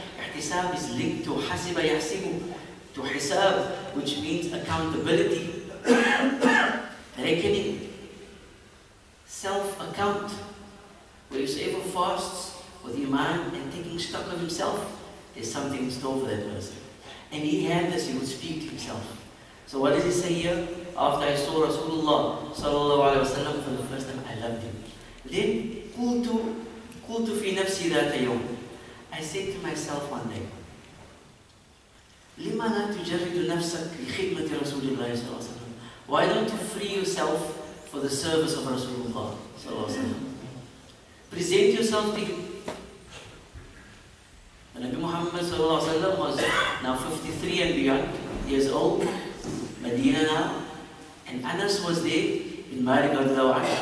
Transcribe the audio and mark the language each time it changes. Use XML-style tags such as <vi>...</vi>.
<en>Ihtisab is linked to hasiba yahsibu, to hisab, which means accountability, reckoning, self-account. Whosoever fasts with iman and taking stock of himself, there's something in store for that person. And he had this, he would speak to himself. So what does he say here? After I saw Rasulullah sallallahu alayhi wa sallam for the first time, I loved him. Then,</en> <ar>قُلْتُ فِي نَفْسِي ذَاتَ يَوْمٍ.</ar> <en>I said to myself one day,</en> <ar>لِمَا لَا تُجَرِّدُ نَفْسَكَ لِخِدْمَةِ رَسُولِ اللَّهِ صَلَّى اللَّهُ عَلَيْهِ وَسَلَّمَ.</ar> <en>Why don't you free yourself for the service of Rasulullah sallallahu alayhi wa sallam? Present yourself to him. The Nabi Muhammad sallallahu alayhi wa sallam was now 53 and beyond years old, Medina now, and Anas was there in Marik al-Dawah.</en>